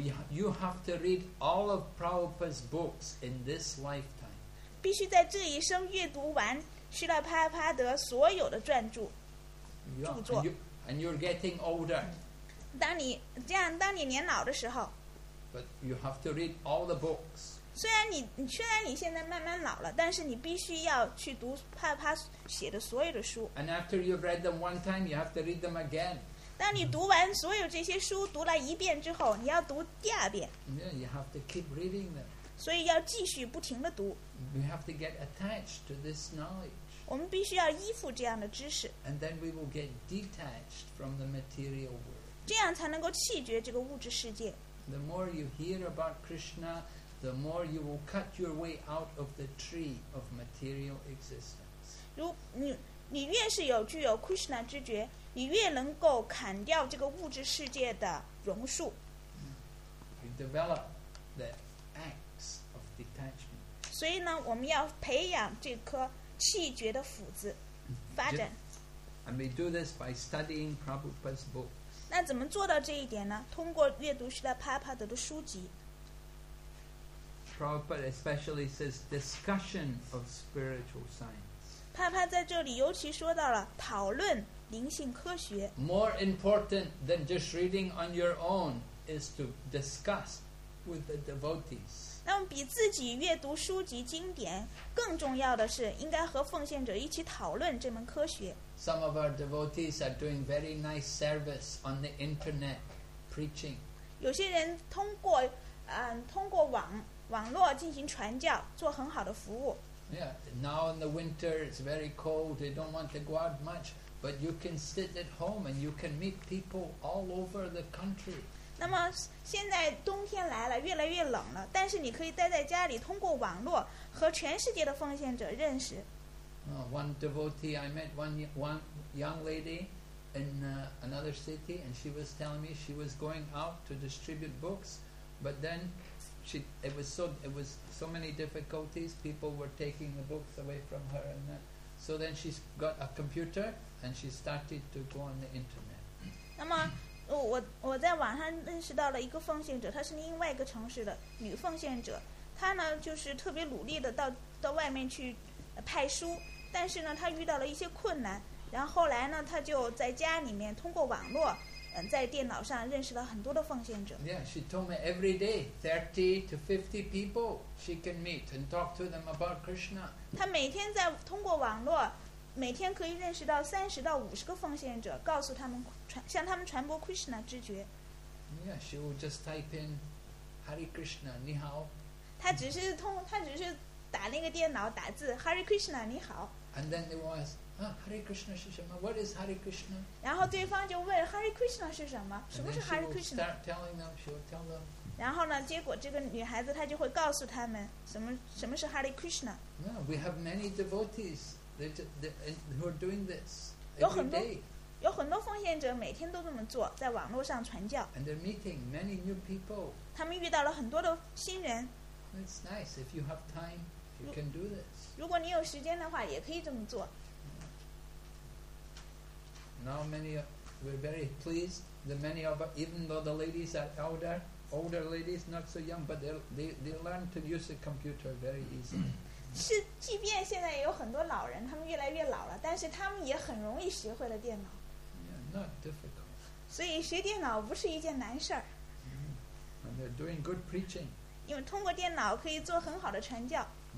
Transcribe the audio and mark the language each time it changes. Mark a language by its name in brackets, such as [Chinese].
[English] You have to read all of Prabhupada's books in this lifetime. [Chinese] 必须在这一生阅读完希拉帕帕德所有的专著著作。 [English] And you're getting older. [Chinese] 当你年老的时候。 [English] But you have to read all the books. [Chinese] 虽然你现在慢慢老了，但是你必须要去读帕帕写的所有的书。 [English] And after you've read them one time, you have to read them again. [Chinese] 当你读完所有这些书读了一遍之后，你要读第二遍。 [English] Yeah, you have to keep reading them. [Chinese] 所以要继续不停地读。 [English] We have to get attached to this knowledge. [Chinese] 我们必须要依附这样的知识。 [English] And then we will get detached from the material world. [Chinese] 这样才能够弃绝这个物质世界。 [English] The more you hear about Krishna, the more you will cut your way out of the tree of material existence. [Chinese] 如你越是有具有 Krishna 知觉，你越能够砍掉这个物质世界的榕树。 [English] You develop the axe of detachment. [Chinese] 所以呢，我们要培养这颗弃绝的斧子，发展。 [English] And we do this by studying Prabhupada's books. [Chinese] 那怎么做到这一点呢？通过阅读希拉帕帕德的书籍。 [English] Prabhupada especially says discussion of spiritual science. [Chinese] 帕帕在这里尤其说到了讨论灵性科学。 [English] More important than just reading on your own is to discuss with the devotees. [Chinese] 那么比自己阅读书籍经典更重要的是，应该和奉献者一起讨论这门科学。 [English] Some of our devotees are doing very nice service on the internet preaching. [Chinese] 有些人通过网络进行传教，做很好的服务。 [English] Yeah, now in the winter it's very cold, they don't want to go out much, but you can sit at home and you can meet people all over the country. [Chinese] 那么现在冬天来了，越来越冷了，但是你可以待在家里，通过网络和全世界的奉献者认识。 [English] One devotee, I met one young lady in another city, and she was telling me she was going out to distribute books, but then... It was so many difficulties. People were taking the books away from her, and that. So then she got a computer and she started to go on the internet. [Chinese] 那么，我在网上认识到了一个奉献者，她是另外一个城市的女奉献者。她呢，就是特别努力的到外面去派书，但是呢，她遇到了一些困难。然后后来呢，她就在家里面通过网络。在电脑上认识了很多的奉献者。 [English] Yeah, she told me every day 30 to 50 people she can meet and talk to them about Krishna. [Chinese] 她每天在通过网络，每天可以认识到30到50个奉献者，告诉他们向他们传播 Krishna 知觉。 [English] Yeah, she will just type in Hare Krishna, [Chinese] 你好。她只是打那个电脑打字 Hare Krishna, 你好。 [English] And then there was. Hare Krishna [Chinese] 是什么 [English] ？What is Hare Krishna？ [Chinese] 然后对方就问 Hare Krishna 是什么？什么是 Hare Krishna？ [English] Start telling them, she will tell them. [Chinese] 然后呢？结果这个女孩子她就会告诉他们什么是 Hare Krishna。 [English] Yeah, we have many devotees that who are doing this every day. [Chinese] 有很多奉献者每天都这么做，在网络上传教。 [English] And they're meeting many new people. [Chinese] 他们遇到了很多的新人。 [English] It's nice if you have time, you can do this. [Chinese] 如果你有时间的话，也可以这么做。 [English] Now we're very pleased. The many of even though the ladies are older ladies, not so young, but they learn to use the computer very easily. [Chinese] 是，即便现在也有很多老人，他们越来越老了，但是他们也很容易学会了电脑。 [English] Yeah, not difficult. [Chinese] 所以学电脑不是一件难事儿。 [English] Mm-hmm. And they're doing good preaching. [Chinese] 因为通过电脑可以做很好的传教。